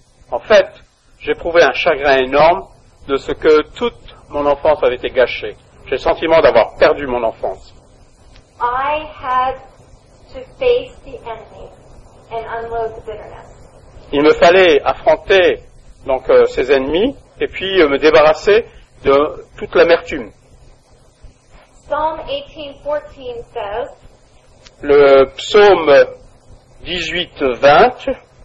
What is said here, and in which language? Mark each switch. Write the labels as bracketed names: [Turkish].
[French] En fait, j'éprouvais un chagrin énorme de ce que toute mon enfance avait été gâchée. J'ai le sentiment d'avoir perdu mon enfance. [English] I had to face the enemy and unload the bitterness. [French] Il me fallait affronter donc ces ennemis et puis me débarrasser de toute l'amertume. [English] Psalm 18:14 says. [French] Le psaume 18:20.